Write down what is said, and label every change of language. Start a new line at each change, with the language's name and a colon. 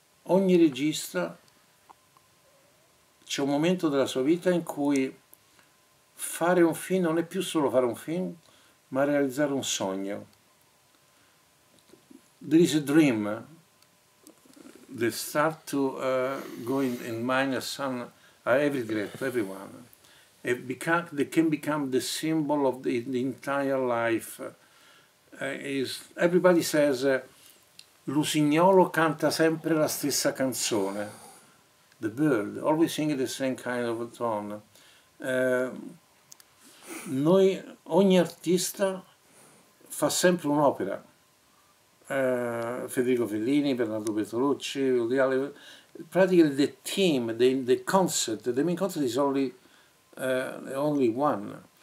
Italian: Ogni regista, c'è un momento della sua vita in cui fare un film non è più solo fare un film, ma realizzare un sogno.
English: There is a dream that start to go in mind of some every director, everyone. They can become the symbol of the entire life. Everybody says,
Italian: l'usignolo canta sempre la stessa canzone.
English: The bird, always singing the same kind of a tone.
Italian: noi, ogni artista fa sempre un'opera.
English: Federico Fellini, Bernardo Bertolucci, Woody Allen, praticamente the team, the concert, the main concert is only only one.